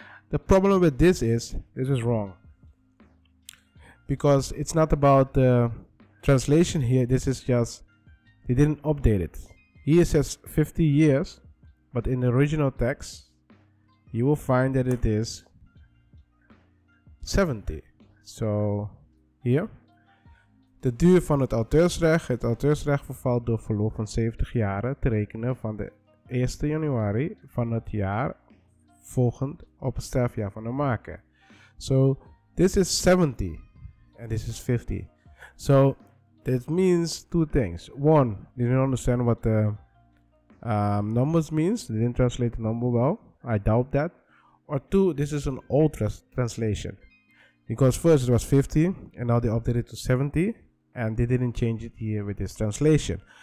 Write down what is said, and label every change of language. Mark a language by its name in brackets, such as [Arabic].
[English] The problem with this is wrong. Because it's not about the translation here, this is just, they didn't update it. Here it says 50 years, but in the original text, you will find that it is 70. So here, [Dutch] de duur van het auteursrecht. Het auteursrecht vervalt door verloop van 70 jaren te rekenen van de 1 januari van het jaar volgend op het sterfjaar van de maker. [English] So this is 70 and this is 50. So that means two things. One, they didn't understand what the numbers means. They didn't translate the number well. I doubt that. Or two, this is an old translation. Because first it was 50 and now they updated it to 70 and they didn't change it here with this translation.